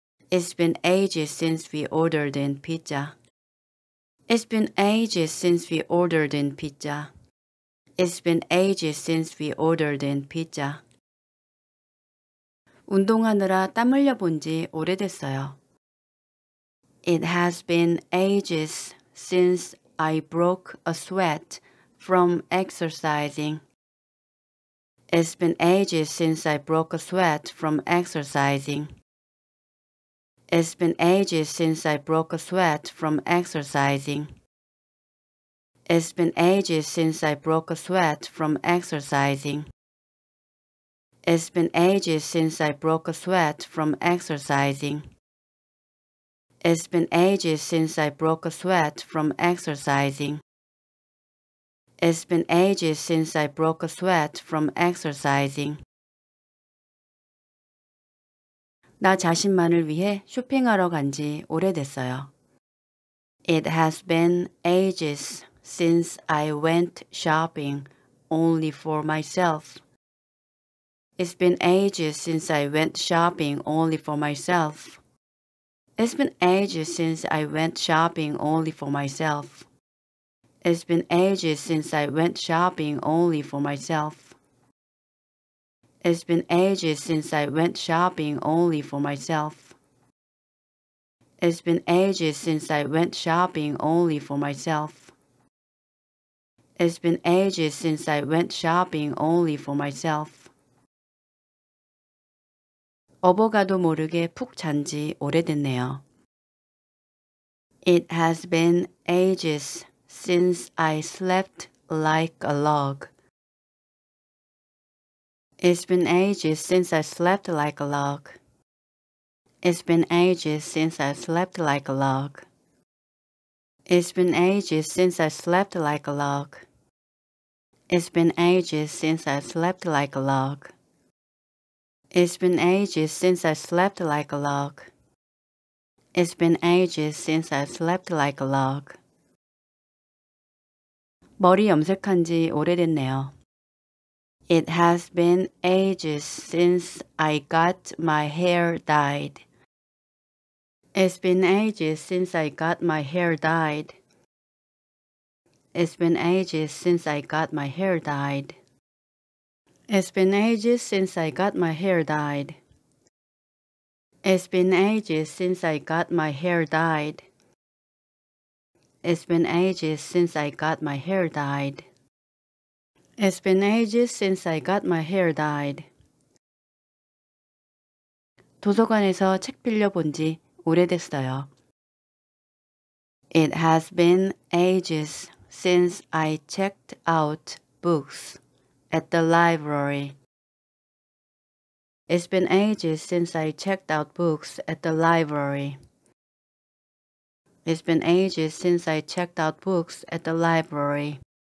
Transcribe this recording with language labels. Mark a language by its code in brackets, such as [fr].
[en] It's been ages since we ordered in pizza. It's been ages since we ordered in pizza. It's been ages since we ordered in pizza. [ko] 운동하느라 땀 흘려 본 지 오래됐어요. [en] It has been ages since I broke a sweat from exercising. It's been ages since I broke a sweat from exercising. It's been ages since I broke a sweat from exercising. It's been ages since I broke a sweat from exercising. It's been ages since I broke a sweat from exercising. It's been ages since I broke a sweat from exercising. It's been ages since I broke a sweat from exercising. [ko] 나 자신만을 위해 쇼핑하러 간 지 오래됐어요. [en] It has been ages since I went shopping only for myself. It's been ages since I went shopping only for myself. It's been ages since I went shopping only for myself. It's been ages since I went shopping only for myself. It's been ages since I went shopping only for myself. It's been ages since I went shopping only for myself. It's been ages since I went shopping only for myself. [ko] 어버가도 모르게 푹 잔 지 오래됐네요. [en] It has been ages since I slept like a log. It's been ages since I slept like a log. It's been ages since I slept like a log. It's been ages since I slept like a log. It's been ages since I slept like a log. It's been ages since I slept like a log. It's been ages since I slept like a log. [ko] 머리 염색한 지 오래됐네요. [en] It has been ages since I got my hair dyed. It's been ages since I got my hair dyed. It's been ages since I got my hair dyed. It's been ages since I got my hair dyed. It's been ages since I got my hair dyed. It's been ages since I got my hair dyed. It's been ages since I got my hair dyed. [ko] 도서관에서 책 빌려본 지 오래됐어요. [en] It has been ages since I checked out books at the library. It's been ages since I checked out books at the library. It's been ages since I checked out books at the library.